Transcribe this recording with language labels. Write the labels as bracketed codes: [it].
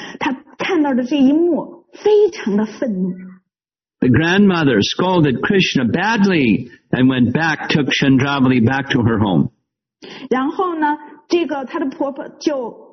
[zh] 她看到的这一幕，非常的愤怒。 [en] The grandmother scolded Krishna badly and went back, took Chandravali back to her home. [zh] 然后呢，这个她的婆婆就。